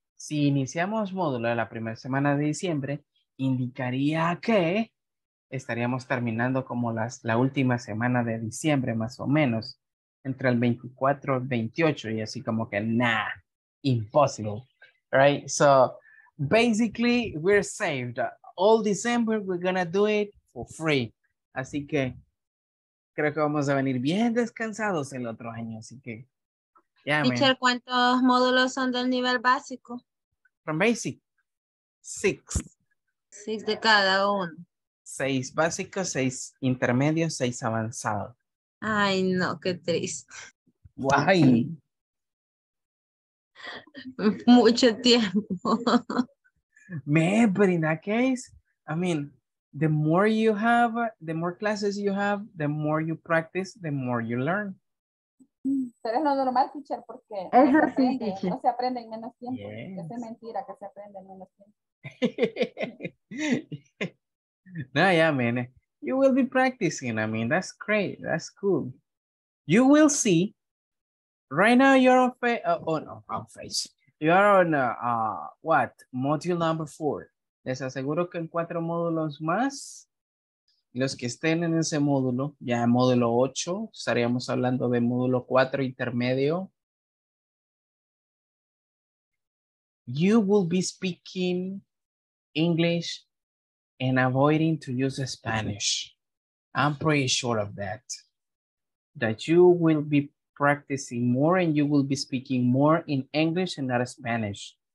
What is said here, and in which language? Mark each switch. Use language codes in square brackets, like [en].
[es] Si iniciamos módulo de la primera semana de diciembre, indicaría que estaríamos terminando como la última semana de diciembre, más o menos, entre el 24 y el 28, y así como que, nah, [en] impossible. Right? So, basically, we're saved. All December, we're gonna do it for free. [es] Así que, creo que vamos a venir bien descansados el otro año. Así que, ya, [en] yeah, [es] teacher, ¿cuántos módulos son del nivel básico? [en] From basic, 6. [es] 6 de cada uno. 6 básicos, 6 intermedios, 6 avanzados. Ay, no, qué triste. Guay. Mucho tiempo. [en] Me, but in that case, I mean, the more you have, the more classes you have, the more you practice, the more you learn. [es] Pero es lo normal, teacher, porque no se aprende en menos tiempo. [en] Yes. [es] Es mentira que se aprende en menos tiempo. [en] No, yeah, man. You will be practicing. I mean, that's great. That's cool. You will see. Right now, you're on face. You are on what? Module number 4. [es] Les aseguro que en 4 módulos más, los que estén en ese módulo, ya en módulo 8, estaríamos hablando de módulo 4 intermedio. [en] You will be speaking English and avoiding to use Spanish. I'm pretty sure of that. That you will be practicing more and you will be speaking more in English and not Spanish.